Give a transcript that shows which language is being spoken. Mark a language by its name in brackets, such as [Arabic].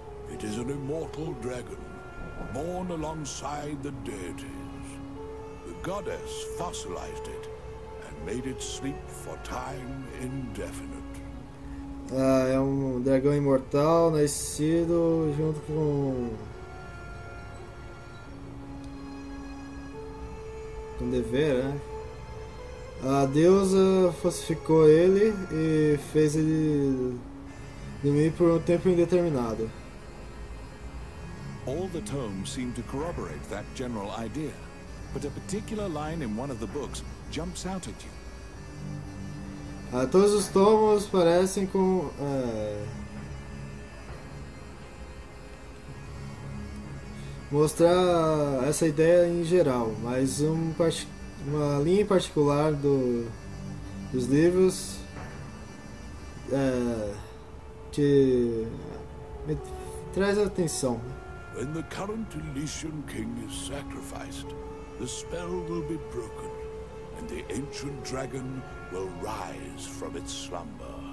[English] It is an immortal dragon, born alongside the deities. The goddess fossilized it and made it sleep for time indefinite. [Portuguese] Ah, é um dragão imortal nascido junto com dever, né? A deusa falsificou ele e fez ele dormir por um tempo indeterminado. [English] All the tomes seem to corroborate that general idea, but a particular line in one of the books jumps out at you. [Portuguese] Todos os tomos parecem com mostrar essa ideia em geral, mas uma linha em particular dos livros que me traz atenção. [English] When the current Elysian king is sacrificed, the spell will be broken, and the ancient dragon will rise from its slumber.